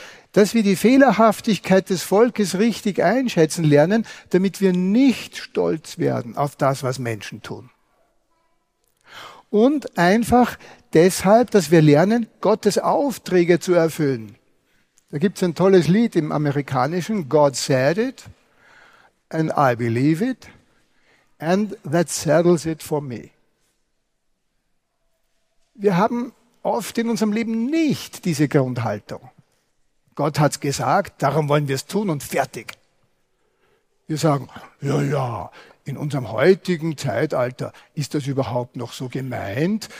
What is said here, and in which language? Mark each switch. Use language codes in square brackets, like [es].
[de] Dass wir die Fehlerhaftigkeit des Volkes richtig einschätzen lernen, damit wir nicht stolz werden auf das, was Menschen tun. Und einfach deshalb, dass wir lernen, Gottes Aufträge zu erfüllen. Da gibt es ein tolles Lied im Amerikanischen, [en] God said it. And I believe it, and that settles it for me. [de] Wir haben oft in unserem Leben nicht diese Grundhaltung. Gott hat's gesagt, darum wollen wir es tun und fertig. Wir sagen, ja, in unserem heutigen Zeitalter ist das überhaupt noch so gemeint?